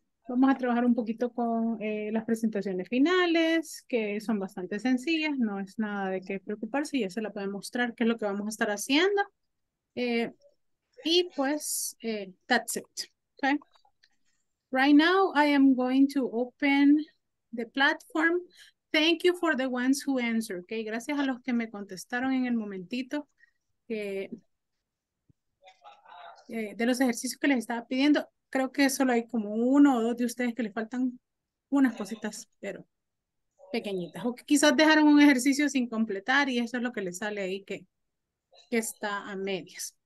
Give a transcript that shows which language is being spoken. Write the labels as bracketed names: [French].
[Spanish] Vamos a trabajar un poquito con las presentaciones finales, que son bastante sencillas, no es nada de qué preocuparse, ya se la pueden mostrar qué es lo que vamos a estar haciendo. Y pues, [English] that's it. Okay. Right now, I am going to open the platform. Thank you for the ones who answered. Okay? [Spanish] Gracias a los que me contestaron en el momentito de los ejercicios que les estaba pidiendo. Creo que solo hay como uno o dos de ustedes que le faltan unas cositas, pero pequeñitas. O que quizás dejaron un ejercicio sin completar y eso es lo que les sale ahí que está a medias.